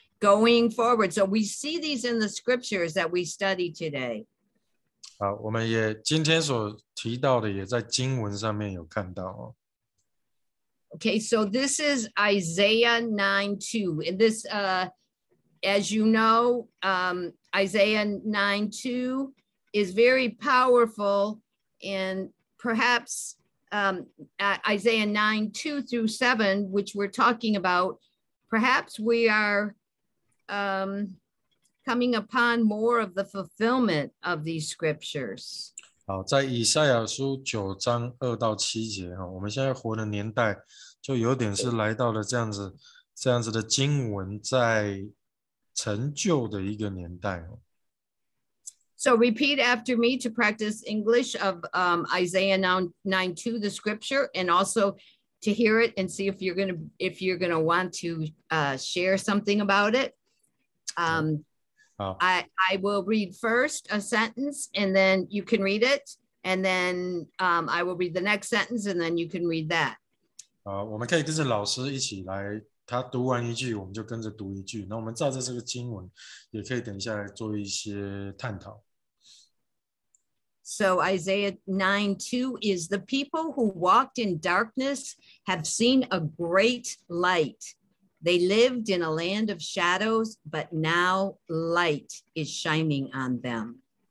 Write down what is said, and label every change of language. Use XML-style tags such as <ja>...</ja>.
<en>Going forward, so we see these in the scriptures that we study today.</en> <zh>好，我们也今天所提到的也在经文上面有看到哦。</zh> <en>Okay, so this is Isaiah 9:2. And this, as you know, Isaiah 9:2 is very powerful. And perhaps Isaiah 9:2-7, which we're talking about, perhaps we are. Coming upon more of the fulfillment of these scriptures.</en> <zh>好，在以赛亚书九章二到七节哈，我们现在活的年代就有点是来到了这样子的经文在成就的一个年代哦。</zh> <en>So repeat after me to practice English of Isaiah 9:2, the scripture, and also to hear it and see if you're gonna want to share something about it. I will read first a sentence and then you can read it. And then I will read the next sentence and then you can read that.</en> <zh>我们可以跟着老师一起来，他读完一句，我们就跟着读一句。那我们照着这个经文，也可以等一下来做一些探讨。</zh> <en>So Isaiah 9:2 is the people who walked in darkness have seen a great light. They lived in a land of shadows, but now light is shining on them.</en>